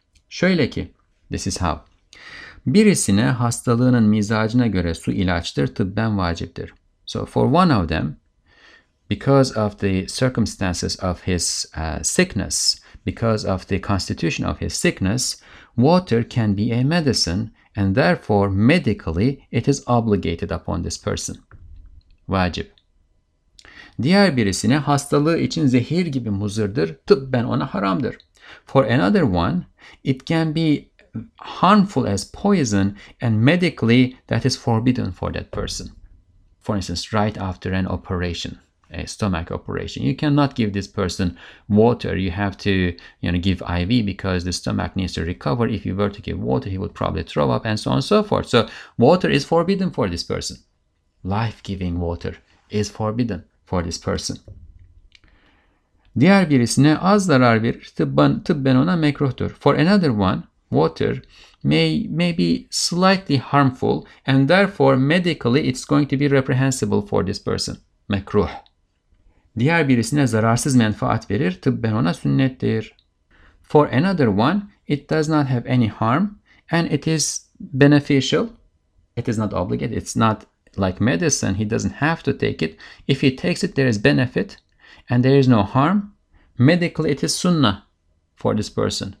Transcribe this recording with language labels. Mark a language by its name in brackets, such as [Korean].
[Turkish] Şöyle ki, [English] this is how. [Turkish] Birisine hastalığının mizacına göre su ilaçtır, tıbben vaciptir. [English] So for one of them, because of the circumstances of his sickness, because of the constitution of his sickness, water can be a medicine and therefore medically it is obligated upon this person. [Turkish] Vacip. Diğer birisine hastalığı için zehir gibi muzırdır, tıbben ona haramdır. [English] For another one, it can be harmful as poison and medically that is forbidden for that person. For instance, right after an operation, a stomach operation. You cannot give this person water. You have to, you know, give IV because the stomach needs to recover. If you were to give water, he would probably throw up and so on and so forth. So water is forbidden for this person. Life-giving water is forbidden for this person. [Turkish] Diğer birisine az zarar verir, tıbben ona mekruhtur. [English] For another one, water may be slightly harmful and therefore medically it's going to be reprehensible for this person. [Turkish] Mekruh. Diğer birisine zararsız menfaat verir, tıbben ona sünnettir. [English] For another one, it does not have any harm and it is beneficial. It is not obligated, it's not like medicine, he doesn't have to take it. If he takes it, there is benefit and there is no harm. Medically, it is sunnah for this person.